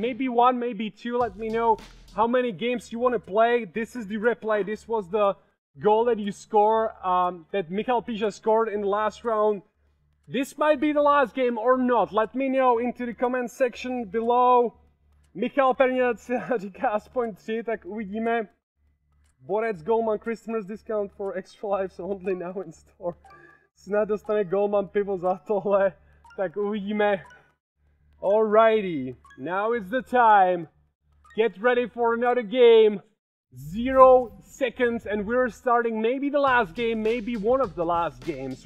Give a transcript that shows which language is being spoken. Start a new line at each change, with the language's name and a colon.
English: Maybe one, maybe two. Let me know how many games you want to play. This is the replay. This was the goal that you score, that Michal Píša scored in the last round. This might be the last game or not. Let me know into the comment section below.
Czech: Michal Perniac říká aspoň 3, tak uvidíme. Borec
English: Goldman Christmas discount for extra lives only now in store.
Czech: Snad dostane Goldman pivo za tohle. Tak uvidíme.
English: Alrighty, now is the time. Get ready for another game. 0 seconds and we're starting maybe the last game, maybe one of the last games.